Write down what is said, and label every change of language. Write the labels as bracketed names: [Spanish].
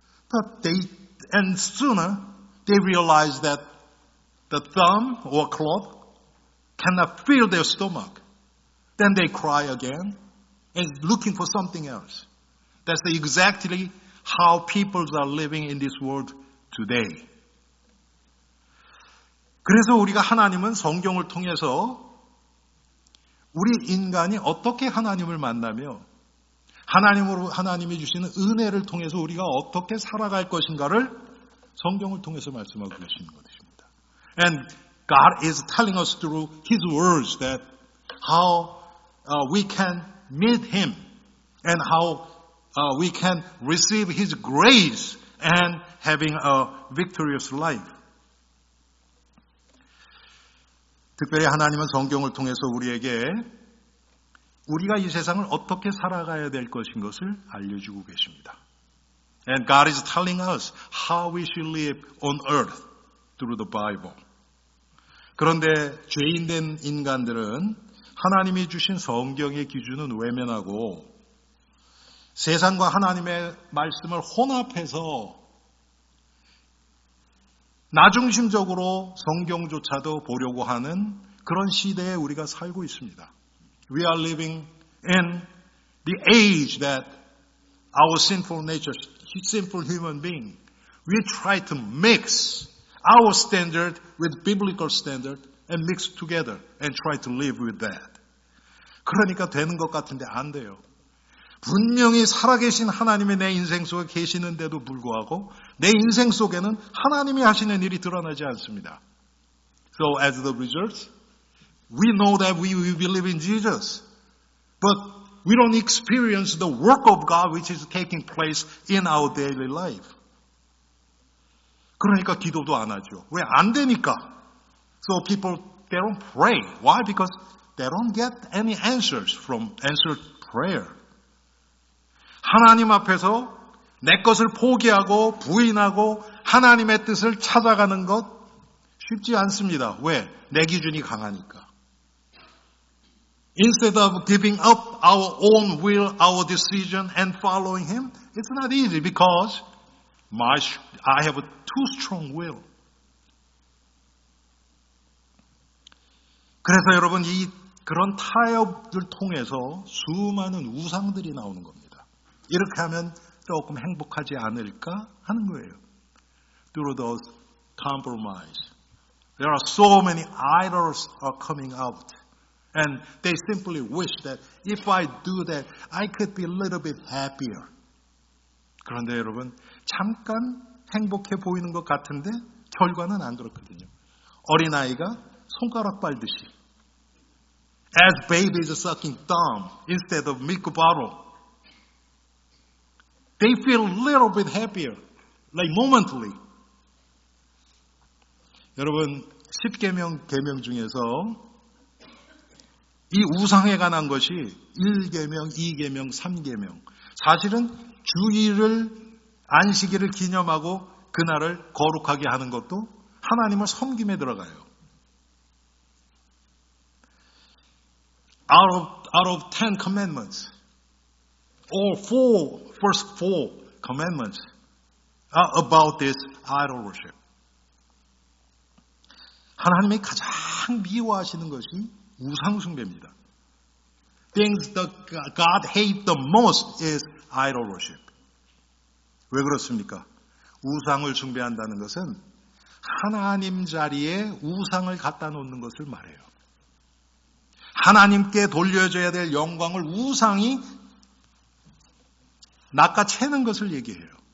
[English] But sooner, they realize that the thumb or cloth cannot fill their stomach. Then they cry again and looking for something else. That's exactly how people are living in this world today. [Korean] 그래서 우리가 하나님은 성경을 통해서 우리 인간이 어떻게 하나님을 만나며 하나님이 주시는 은혜를 통해서 우리가 어떻게 살아갈 것인가를 성경을 통해서 말씀하고 계시는 것입니다. [English] And God is telling us through His words that how we can meet Him and how we can receive His grace and having a victorious life. [Korean] 특별히 하나님은 성경을 통해서 우리에게 우리가 이 세상을 어떻게 살아가야 될 것인 것을 알려주고 계십니다. [English] And God is telling us how we should live on earth through the Bible. [Korean] 그런데 죄인 된 인간들은 하나님이 주신 성경의 기준은 외면하고 세상과 하나님의 말씀을 혼합해서 나중심적으로 성경조차도 보려고 하는 그런 시대에 우리가 살고 있습니다. [English] We are living in the age that our sinful nature, sinful human being, we try to mix our standard with biblical standard and mix together and try to live with that. [Korean] 그러니까 되는 것 같은데 안 돼요. 분명히 살아계신 하나님이 내 인생 속에 계시는데도 불구하고 내 인생 속에는 하나님이 하시는 일이 드러나지 않습니다. [English] So as the result, we know that we believe in Jesus. But we don't experience the work of God which is taking place in our daily life. [Korean] 그러니까 기도도 안 하죠. 왜? 안 되니까. [English] So people, they don't pray. Why? Because they don't get any answers from answered prayer. [Korean] 하나님 앞에서 내 것을 포기하고 부인하고 하나님의 뜻을 찾아가는 것 쉽지 않습니다. 왜? 내 기준이 강하니까. [English] Instead of giving up our own will, our decision and following Him, it's not easy because I have a too strong will. [Korean] 그래서 여러분, 이 그런 타협을 통해서 수많은 우상들이 나오는 겁니다. 이렇게 하면 조금 행복하지 않을까 하는 거예요. [English] Through those compromise, there are so many idols are coming out. And they simply wish that if I do that, I could be a little bit happier. [Korean] 그런데 여러분, 잠깐 행복해 보이는 것 같은데 결과는 안 그렇거든요. 어린아이가 손가락 빨듯이 [English] As baby is sucking thumb instead of milk bottle. They feel a little bit happier, like momently. [Korean] 여러분, 10계명 계명 중에서 이 우상에 관한 것이 1계명, 2계명, 3계명. 사실은 주일을 안식일을 기념하고 그날을 거룩하게 하는 것도 하나님을 섬김에 들어가요. [English] Out of 10 commandments, or first four commandments are about this idol worship. [Korean] 하나님이 가장 미워하시는 것이 우상 숭배입니다. [English] Things that God hates the most is idol worship. [Korean] 왜 그렇습니까? 우상을 숭배한다는 것은 하나님 자리에 우상을 갖다 놓는 것을 말해요. 하나님께 돌려줘야 될 영광을 우상이 낚아채는 것을 얘기해요.